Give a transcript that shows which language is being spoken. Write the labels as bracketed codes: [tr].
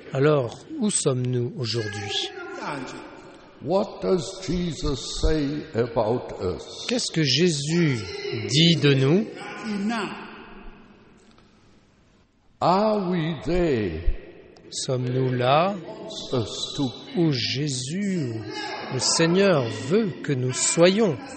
[fr] Alors, où sommes-nous aujourd'hui? [en] What does Jesus say about us? [fr] Qu'est-ce que Jésus dit de nous? [en] Are we there? [fr] Sommes-nous là où Jésus, le Seigneur, veut que nous soyons?